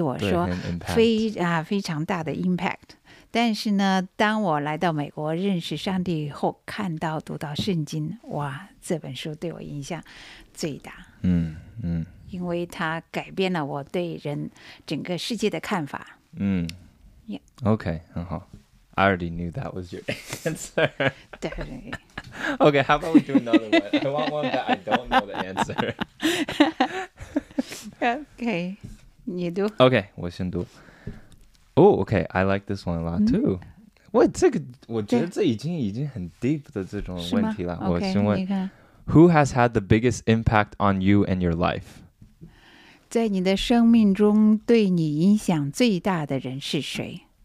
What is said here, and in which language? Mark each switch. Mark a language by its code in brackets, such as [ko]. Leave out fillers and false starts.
[zh] 什么书对你影响最大？为什么？我觉得我已经知道你的。在我没有认识上帝以前，好像还没有什么哪一本书好像对我说非常大的impact。但是呢，当我来到美国认识上帝后，看到读到圣经，哇，这本书对我影响最大。因为它改变了我对人整个世界的看法。OK，很好。 [en] I already knew that was your answer. Definitely. Okay, how about we do another one? I want one that I don't know the answer. [zh] Okay, 你读。 [en] Okay, [zh] 我先读。 [en] Oh, okay. I like this one a lot too. Who has had the biggest impact on you and your life? [zh] 在你的生命中对你影响最大的人是谁?